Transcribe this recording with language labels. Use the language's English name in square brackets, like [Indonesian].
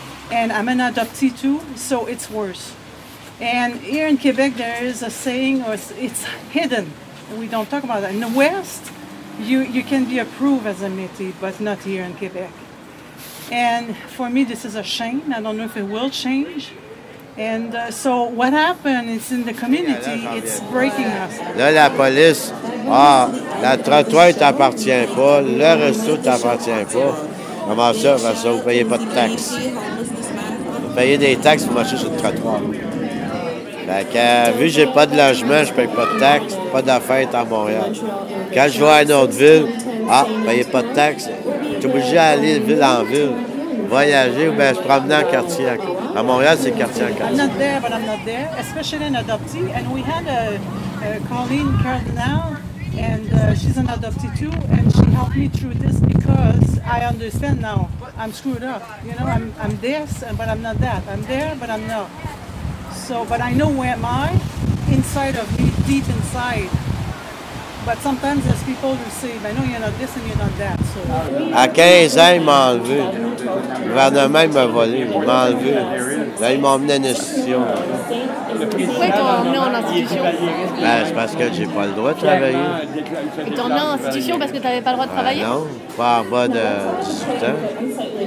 [English] And I'm an adoptee too, so it's worse. And here in Quebec, there is a saying, or it's hidden. We don't talk about that. In the West, you can be approved as a Métis, but not here in Quebec. And for me, this is a shame. I don't know if it will change. And so what happened is in the community, it's breaking us. [French] Là, la police, ah, la trottoir t'appartient pas, le resto t'appartient pas. Comment ça, parce que vous payez pas de taxes. Vous payez des taxes pour marcher sur le trottoir. Fait que, vu que j'ai pas de logement, je paye pas de taxes, pas d'affaires à Montréal. Quand je vais à une autre ville, ah, vous payez pas de taxes, t'es obligé d'aller ville en ville, voyager ou bien se promener en quartier. À Montréal, c'est quartier en quartier. [English] I'm not there, but I'm not there, especially an adoptee. And we had a Colleen Cardinal, and she's an adoptee too, and she helped me through this because I understand now. I'm screwed up. You know, I'm this, but I'm not that. I'm there, but I'm not. So, but I know where am I, inside of me, deep inside. But sometimes there's people who say, I know you're not this and you're not that. So. [French] À 15 ans, il m'a enlevé. Le gouvernement m'a volé, il m'a enlevé. Là, ils m'ont emmené en institution. Pourquoi ils t'ont emmené en institution? Ben, c'est parce que j'ai pas le droit de travailler. Ils t'ont emmené en institution parce que t'avais pas le droit de travailler? Non, pas en bas de 18 ans.